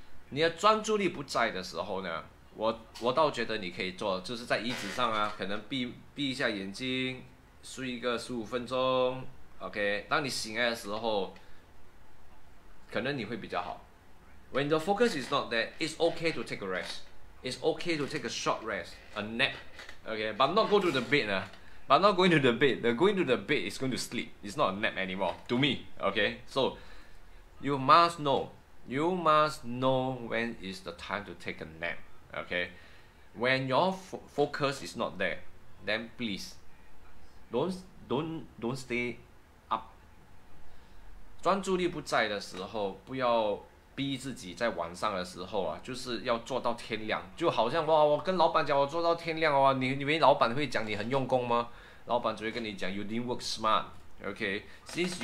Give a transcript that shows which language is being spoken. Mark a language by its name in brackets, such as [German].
[Chinese] 你的专注力不在的时候呢，我倒觉得你可以做，就是在椅子上啊，可能闭一下眼睛，睡一个15分钟。 OK，当你醒来的时候，可能你会比较好。 [English] When the focus is not there, it's okay to take a rest. It's okay to take a short rest, a nap. Okay, but not go to the bed. But not going to the bed. The going to the bed is going to sleep. It's not a nap anymore to me. Okay, so you must know. You must know when is the time to take a nap. Okay, when your focus is not there, then please don't stay. [Chinese] 专注力不在的时候，不要逼自己在晚上的时候啊，就是要做到天亮。就好像哇，我跟老板讲，我做到天亮哇，你以为老板会讲你很用功吗？老板只会跟你讲， [English] you didn't work smart，OK？Since、okay?